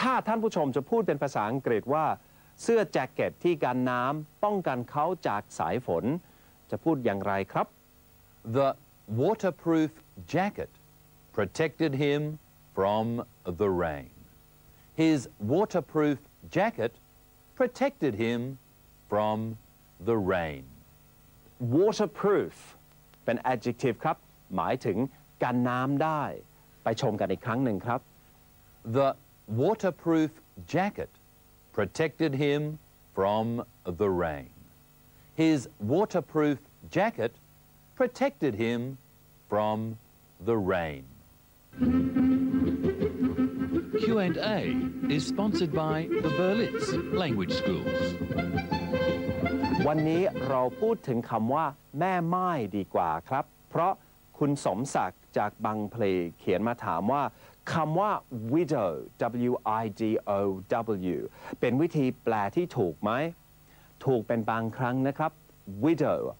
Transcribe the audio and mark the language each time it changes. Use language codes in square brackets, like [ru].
[th] ท่านผู้ชมจะพูดเป็นภาษาอังกฤษว่าเสื้อแจ็คเก็ตที่กันน้ำป้องกันเขาจากสายฝนจะพูดอย่างไรครับ [en] The waterproof jacket protected him from the rain. His waterproof jacket protected him from the rain. [th] Waterproof เป็น adjective ครับหมายถึงกันน้ำได้ไปชมกันอีกครั้งหนึ่งครับ [en] TheWaterproof jacket protected him from the rain. His waterproof jacket protected him from the rain. Q&A is sponsored by the Berlitz Language Schools. [th] วันนี้เราพูดถึงคำว่าแม่ไม้ดีกว่าครับเพราะคุณสมศักดิ์จากบางเพลเขียนมาถามว่าคำว่า widow widow เป็นวิธีแปลที่ถูกไหมถูกเป็นบางครั้งนะครับ widow